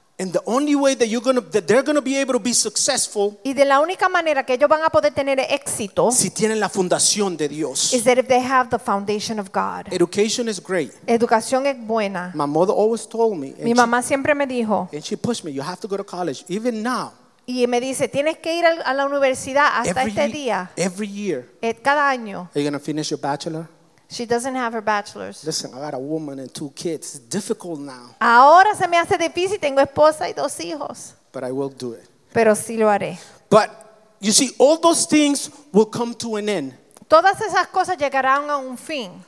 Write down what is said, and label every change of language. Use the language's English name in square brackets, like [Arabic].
[English] And the only way that they're going to be able to be successful. [Spanish] Y de la única manera que ellos van a poder tener éxito. Si tienen la fundación de Dios. [English] Is that if they have the foundation of God. Education is great. [Spanish] Educación es buena. [English] My mother always told me. [Spanish] Mi mamá siempre me dijo. [English] And she pushed me. You have to go to college, even now. [Spanish] Y me dice, tienes que ir a la universidad hasta este día. [English] Every year. [Spanish] Cada año. [English] Are you going to finish your bachelor? She doesn't have her bachelor's. Listen, I got a woman and two kids. It's difficult now. [Spanish] Ahora se me hace difícil. Tengo esposa y dos hijos. [English] But I will do it. [Spanish] Pero sí lo haré. [English] But you see, all those things will come to an end. [Spanish] Todas esas cosas llegarán a un fin.